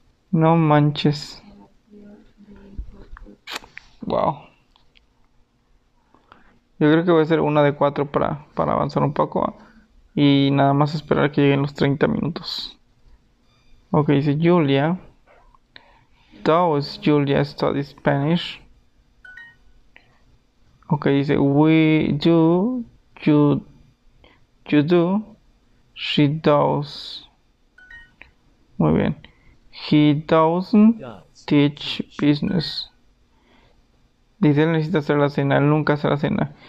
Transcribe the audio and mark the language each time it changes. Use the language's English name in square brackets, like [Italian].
[Spanish] No manches. Wow. Creo que voy a hacer una de cuatro para avanzar un poco y nada más esperar que lleguen los 30 minutos. Ok, dice Julia. [English] Does Julia study Spanish? Ok, dice we do, you do, she does. [Spanish] Muy bien. [English] He doesn't teach business. [Spanish] Dice, él necesita hacer la cena, él nunca hace la cena.